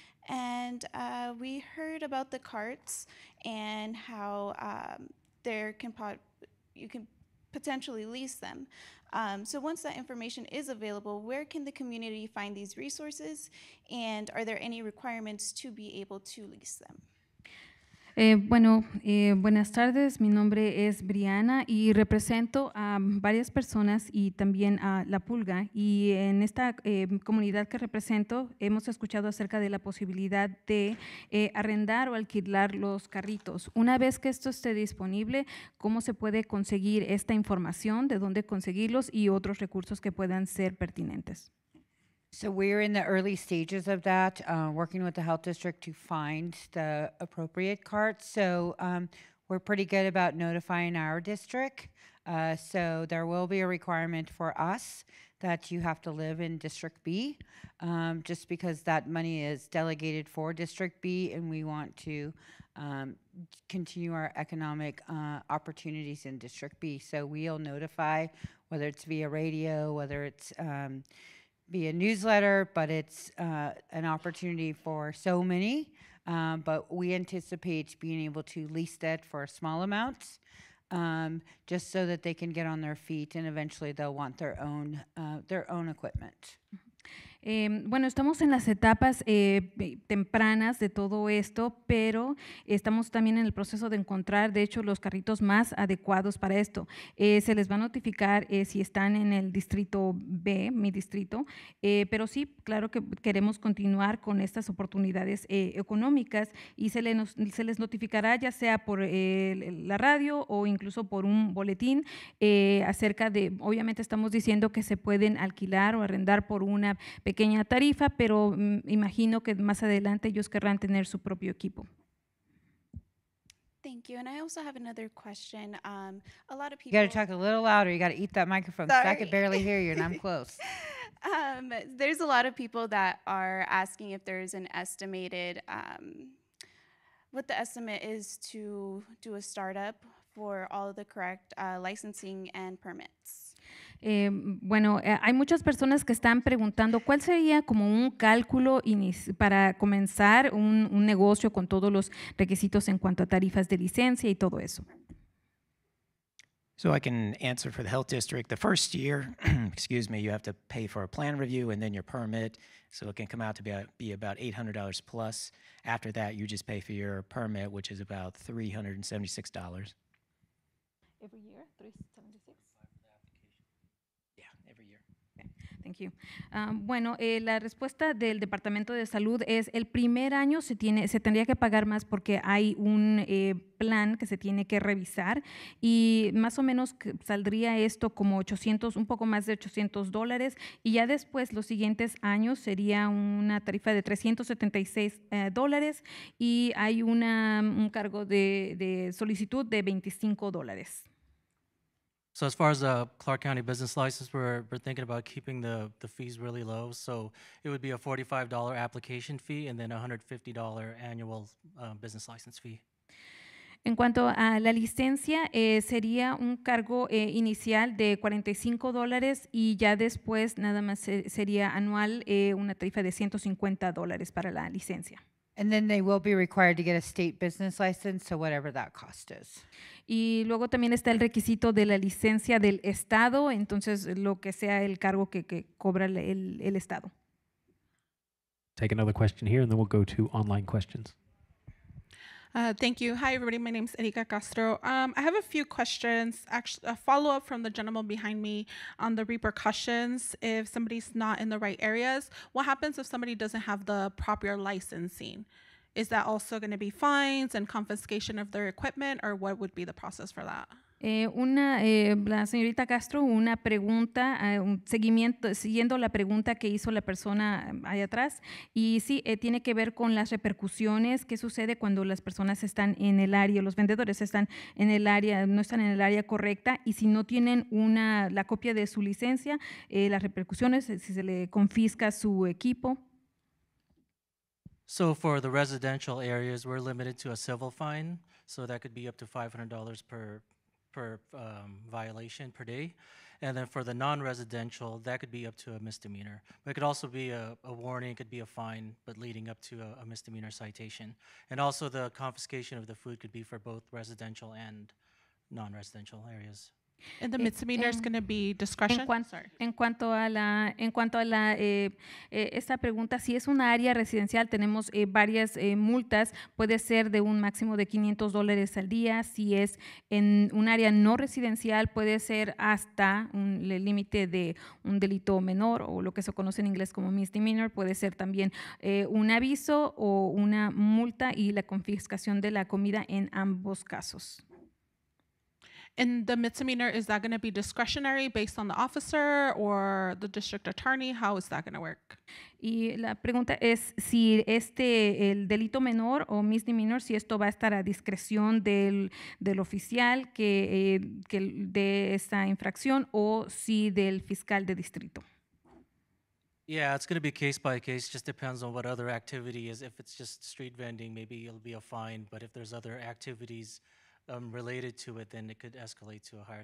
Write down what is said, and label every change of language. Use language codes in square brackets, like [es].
[en] And we heard about the carts and how you can potentially lease them. So once that information is available, where can the community find these resources? And are there any requirements to be able to lease them? [es] Buenas tardes. Mi nombre es Brianna y represento a varias personas y también a La Pulga. Y en esta comunidad que represento, hemos escuchado acerca de la posibilidad de arrendar o alquilar los carritos. Una vez que esto esté disponible, ¿cómo se puede conseguir esta información, de dónde conseguirlos y otros recursos que puedan ser pertinentes? [en] So we're in the early stages of that, working with the health district to find the appropriate carts. So we're pretty good about notifying our district. So there will be a requirement for us that you have to live in District B, just because that money is delegated for District B and we want to continue our economic opportunities in District B. So we'll notify, whether it's via radio, whether it's be a newsletter, but it's an opportunity for so many. But we anticipate being able to lease that for small amounts, just so that they can get on their feet and eventually they'll want their own equipment. [es] Bueno, estamos en las etapas tempranas de todo esto, pero estamos también en el proceso de encontrar, de hecho, los carritos más adecuados para esto. Se les va a notificar si están en el distrito B, mi distrito, pero sí, claro que queremos continuar con estas oportunidades económicas y se les notificará ya sea por la radio o incluso por un boletín acerca de, obviamente estamos diciendo que se pueden alquilar o arrendar por una pequeña tarifa, pero imagino que más adelante ellos querrán tener su propio equipo. [en] Thank you. And I also have another question. A lot of people. You got to talk a little louder. You got to eat that microphone. Sorry. I can barely hear you and I'm close. There's a lot of people that are asking if there's an estimated, what the estimate is to do a startup for all of the correct licensing and permits. [es] Bueno, hay muchas personas que están preguntando cuál sería como un cálculo para comenzar un negocio con todos los requisitos en cuanto a tarifas de licencia y todo eso. [en] So I can answer for the health district. The first year, excuse me, you have to pay for a plan review and then your permit. So it can come out to be about $800 plus. After that, you just pay for your permit, which is about $376. Every year? Thank you. [es] Bueno, la respuesta del Departamento de Salud es el primer año se tendría que pagar más porque hay un plan que se tiene que revisar y más o menos saldría esto como un poco más de $800 y ya después los siguientes años sería una tarifa de $376 y hay un cargo de solicitud de $25. [en] So as far as a Clark County business license, we're thinking about keeping the fees really low. So it would be a $45 application fee and then $150 annual business license fee. [es] En cuanto a la licencia, sería un cargo inicial de $45 y ya después nada más sería anual una tarifa de $150 para la licencia. [en] And then they will be required to get a state business license, so whatever that cost is. [es] Y luego también está el requisito de la licencia del estado, entonces lo que sea el cargo que cobra el estado. [en] Take another question here and then we'll go to online questions. Thank you. Hi, everybody. My name is Erika Castro. I have a few questions, actually a follow-up from the gentleman behind me on the repercussions. If somebody's not in the right areas, what happens if somebody doesn't have the proper licensing? Is that also going to be fines and confiscation of their equipment, or what would be the process for that? [es] La señorita Castro, una pregunta, un seguimiento, siguiendo la pregunta que hizo la persona allá atrás, y sí, tiene que ver con las repercusiones que sucede cuando las personas están en el área, los vendedores están en el área, no están en el área correcta, y si no tienen la copia de su licencia, las repercusiones, si se le confisca su equipo. [en] So for the residential areas, we're limited to a civil fine, so that could be up to $500 per violation per day. And then for the non-residential, that could be up to a misdemeanor. But it could also be a warning, it could be a fine, but leading up to a misdemeanor citation. And also the confiscation of the food could be for both residential and non-residential areas. And the misdemeanor is going to be discretion? [es] Esta pregunta, si es un área residencial, tenemos varias multas. Puede ser de un máximo de $500 al día. Si es en un área no residencial, puede ser hasta el límite de un delito menor o lo que se conoce en inglés como misdemeanor. Puede ser también un aviso o una multa y la confiscación de la comida en ambos casos. [en] And the misdemeanor, is that going to be discretionary based on the officer or the district attorney? How is that going to work? [es] Y la pregunta es si el delito menor o misdemeanor, si esto va a estar a discreción del oficial que de esta infracción o si del fiscal de distrito. [en] Yeah, it's going to be case by case. Just depends on what other activity is. If it's just street vending, maybe it'll be a fine. But if there's other activities related to it, then it could escalate to a higher.